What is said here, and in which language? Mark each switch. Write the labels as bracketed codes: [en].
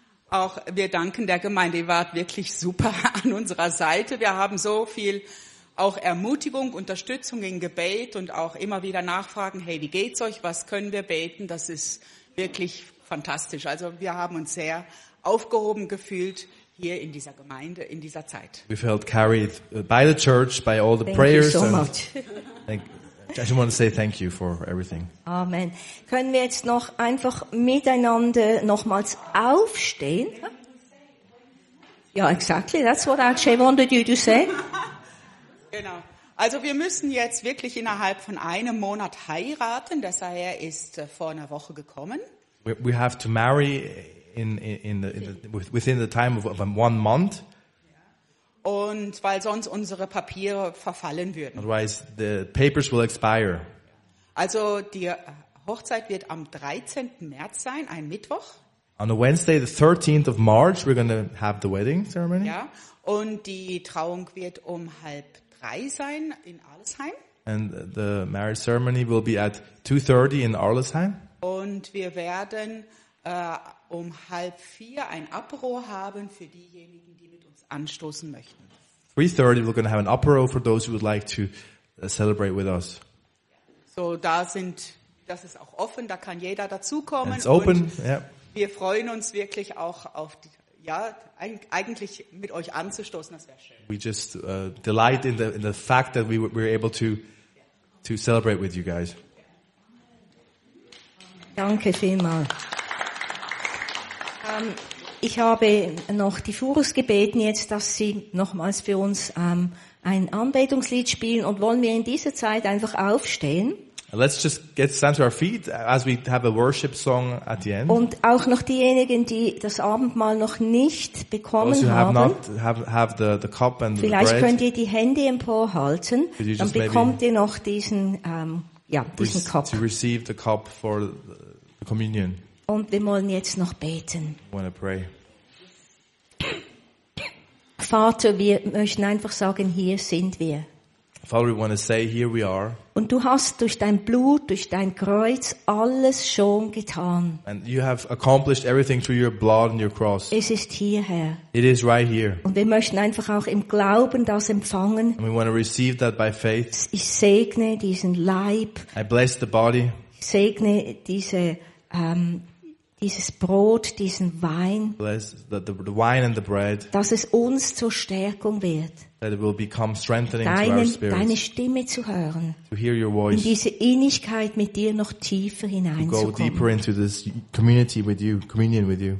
[de] Auch wir danken der Gemeinde, ihr wart wirklich super an unserer Seite. Wir haben so viel auch Ermutigung, Unterstützung in Gebet und auch immer wieder Nachfragen, hey, wie geht's euch, was können wir beten? Das ist wirklich fantastisch. Also wir haben uns sehr aufgehoben gefühlt hier in dieser Gemeinde, in dieser Zeit. [en] We felt carried by the church, by all the thank prayers. Thank you so much. I just want to say thank you for everything. Amen. [de] Können wir jetzt noch einfach miteinander nochmals aufstehen? [en] Ja, exactly. That's what Akshay wanted you to say. [de] Genau. Also wir müssen jetzt wirklich innerhalb von einem Monat heiraten. Der Sahir ist vor einer Woche gekommen. [en] We have to marry within the time of one month. [de] Und weil sonst unsere Papiere verfallen würden. [en] Otherwise the papers will expire. [de] Also die Hochzeit wird am 13. März sein, ein Mittwoch. [en] On a Wednesday, the 13th of March, we're going to have the wedding ceremony. [de] Ja, und die Trauung wird um 2:30 sein in Arlesheim. [en] And the marriage ceremony will be at 2:30 in Arlesheim. [de] Und wir werden um 3:30 ein Apéro haben für diejenigen, die mit uns anstoßen möchten. [en] 3:30, we're going to have an Apéro for those who would like to celebrate with us. [de] So, da sind, das ist auch offen, da kann jeder dazukommen. [en] It's open, yeah. [de] Wir freuen uns wirklich auch auf, eigentlich mit euch anzustoßen, das wäre schön. [en] We just delight in the fact that we're able to celebrate with you guys. [de] Danke vielmals. Ich habe noch die Furus gebeten jetzt, dass sie nochmals für uns ein Anbetungslied spielen und wollen wir in dieser Zeit einfach aufstehen. [en] Let's just get stand to our feet as we have a worship song at the end. [de] Und auch noch diejenigen, die das Abendmahl noch nicht bekommen [en] those who [de] haben. [en] Have the cup and [de] vielleicht [en] the bread. [de] Könnt ihr die Hände emporhalten, dann bekommt ihr noch diesen diesen Cup. [en] To receive the cup for the communion. [de] Und wir wollen jetzt noch beten. [en] Want to pray. [de] Vater, wir möchten einfach sagen, hier sind wir. [en] Father, we want to say, here we are. [de] Und du hast durch dein Blut, durch dein Kreuz alles schon getan. [en] And you have accomplished everything through your blood and your cross. [de] Es ist hier, Herr. [en] It is right here. [de] Und wir möchten einfach auch im Glauben das empfangen. [en] And we want to receive that by faith. [de] Ich segne diesen Leib. [en] I bless the body. [de] Ich segne dieses Brot, diesen Wein. [en] Bless the wine and the bread. [de] Dass es uns zur Stärkung wird. [en] That it will become strengthening [de] deinen, [en] to our spirits. [de] Deine Stimme zu hören. [en] To hear your voice. [de] In diese Innigkeit mit dir noch tiefer hineinzukommen. [en] To go deeper into this community with you, communion with you.